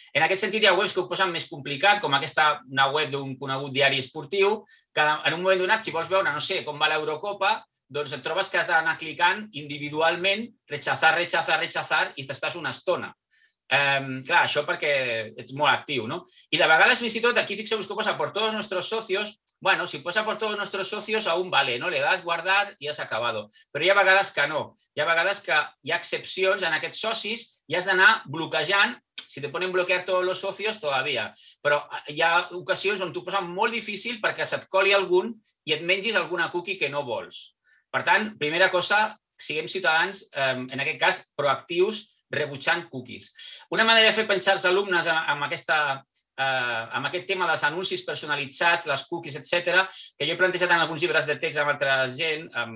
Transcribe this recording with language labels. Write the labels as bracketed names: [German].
[Catalan] En aquest sentit, hi ha webs que ho posen més complicat, com aquesta una web d'un conegut diari esportiu, que en un moment donat, si vols veure, no sé, com va l'Eurocopa, doncs et trobes que has d'anar clicant individualment, [Spanish] rechazar, [Catalan] i t'estàs una estona. Clar, això perquè ets molt actiu, no? I de vegades, fins i tot, aquí fixeu-vos que posa [Spanish] por todos nuestros socios, bueno, [Catalan] si posa [Spanish] por todos nuestros socios, aún vale, [Catalan] no? [Spanish] Le das guardar [Catalan] i [Spanish] has acabado. [Catalan] Però hi ha vegades que no. Hi ha vegades que hi ha excepcions en aquests socis i has d'anar bloquejant. [Spanish] Si te ponen bloquear todos los socios, todavía. [Catalan] Però hi ha ocasions on t'ho posa molt difícil perquè se't coli algun i et mengis alguna cookie que no vols. Per tant, primera cosa, siguem ciutadans, en aquest cas, proactius, rebutjant cookies. Una manera de fer pensar els alumnes amb aquest tema dels anuncis personalitzats, les cookies, etc., que jo he plantejat en alguns llibres de text amb altra gent,